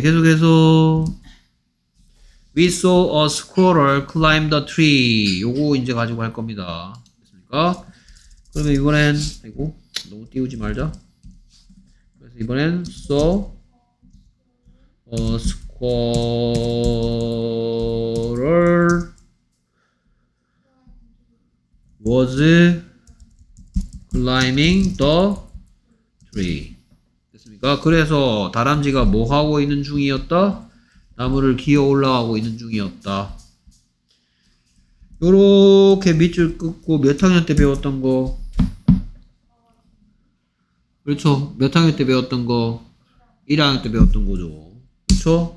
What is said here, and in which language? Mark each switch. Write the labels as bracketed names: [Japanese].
[Korean] 계속해서 [English] We saw a squirrel climb the tree. [Korean] 요거 이제 가지고 할 겁니다. 됐습니까? 그러면 이번엔 아이고 너무 띄우지 말자. 그래서 이번엔 [English] saw a squirrel was climbing the tree. [Korean] 그래서 다람쥐가 뭐 하고 있는 중이었다? 나무를 기어 올라가고 있는 중이었다. 요렇게 밑줄 긋고 몇 학년 때 배웠던 거? 그렇죠. 몇 학년 때 배웠던 거? 1학년 때 배웠던 거죠. 그렇죠?